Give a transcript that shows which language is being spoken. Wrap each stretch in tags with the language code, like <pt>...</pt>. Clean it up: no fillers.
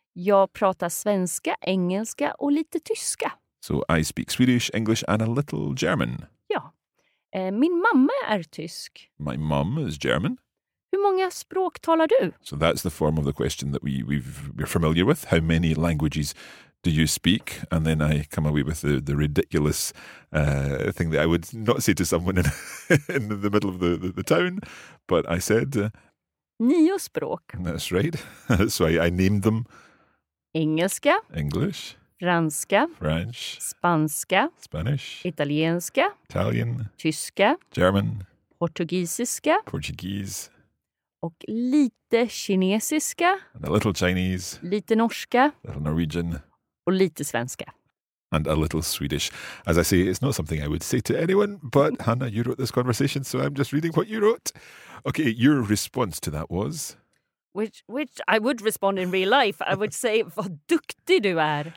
<sv>Jag pratar svenska, engelska och lite tyska.</sv> <en>So I speak Swedish, English and a little German.</en> <sv>Ja. Min mamma är tysk.</sv> <en>My mom is German.</en> <sv>Hur många språk talar du?</sv> <en>So that's the form of the question that we're familiar with. How many languages do you speak? And then I come away with the ridiculous thing that I would not say to someone in the middle of the town. But I said...</en> <sv>Nio språk.</sv> <en>That's right. So I named them...</en> <sv>Engelska.</sv> <en>English.</en> <sv>Franska.</sv> <en>French.</en> <sv>Spanska.</sv> <en>Spanish.</en> <sv>Italienska.</sv> <en>Italian.</en> <sv>Tyska.</sv> <en>German.</en> <sv>Portugisiska.</sv> <en>Portuguese.</en> <sv>Och lite kinesiska.</sv> <en>And a little Chinese.</en> <sv>Lite norska.</sv> <en>Little Norwegian.</en> <sv>Och lite svenska.</sv> <en>And a little Swedish. As I say, it's not something I would say to anyone, but Hannah, you wrote this conversation, so I'm just reading what you wrote. Okay, your response to that was? Which I would respond in real life. I would say,</en> <sv>vad duktig du är.</sv>